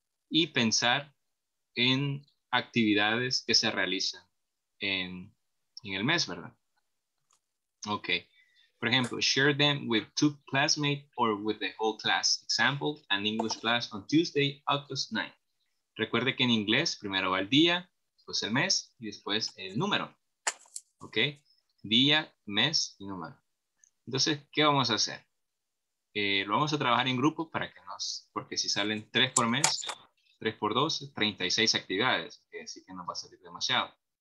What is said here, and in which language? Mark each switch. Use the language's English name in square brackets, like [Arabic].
[Spanish] Y pensar en actividades que se realizan en el mes, ¿verdad? Ok. Por ejemplo, [English] share them with two classmates or with the whole class. Example, an English class on Tuesday, August 9th. [Spanish] Recuerde que en inglés primero va el día, después el mes y después el número. Ok. Día, mes y número. Entonces, ¿qué vamos a hacer? Lo vamos a trabajar en grupo para que nos... Porque si salen tres por mes... 3 por 2, 36 actividades. Así que no va a salir demasiado.